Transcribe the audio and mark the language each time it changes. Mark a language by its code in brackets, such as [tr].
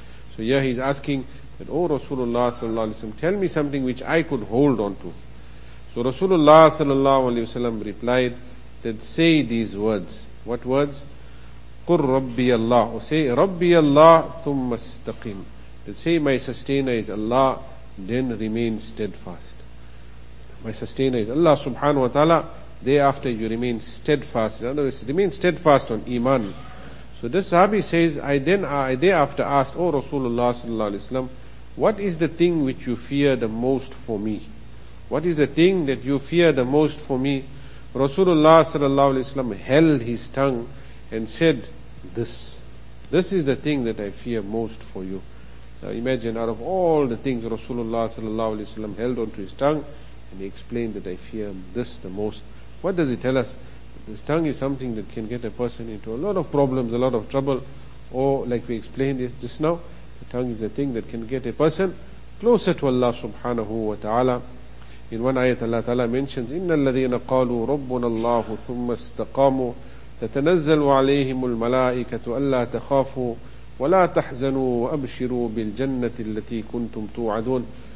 [en] So here he's asking that, O Rasulullah sallallahu alayhi wa sallam, tell me something which I could hold on to. So Rasulullah sallallahu alayhi wa sallam replied that say these words. What words? [ar] قُرْ رَبِّيَ اللَّهُ. [en] Say, [ar] رَبِّيَ اللَّهُ ثُمَّ اسْتَقِيمُ. [en] That say, my sustainer is Allah, then remain steadfast. My sustainer is Allah subhanahu wa ta'ala, thereafter you remain steadfast. In other words, remain steadfast on iman. So this sahabi says, I thereafter asked, O Rasulullah sallallahu alayhi wa sallam, what is the thing which you fear the most for me? What is the thing that you fear the most for me? Rasulullah sallallahu alayhi wa sallam held his tongue and said, This is the thing that I fear most for you. Now imagine, out of all the things Rasulullah sallallahu alayhi wa sallam held onto his tongue, and he explained that I fear this the most. What does he tell us? This tongue is something that can get a person into a lot of problems, a lot of trouble. Or like we explained just now, the tongue is the thing that can get a person closer to Allah subhanahu wa ta'ala. In one ayat, Allah Ta'ala mentions, [ar] إِنَّ الَّذِينَ قَالُوا رَبُّنَ اللَّهُ ثُمَّ اسْتَقَامُوا تَتَنَزَّلُ عَلَيْهِمُ الْمَلَائِكَةُ أَلَّا تَخَافُوا وَلَا تَحْزَنُوا وَأَبْشِرُوا بِالْجَنَّةِ الَّتِي كُنْتُمْ تُوعَدُونَ.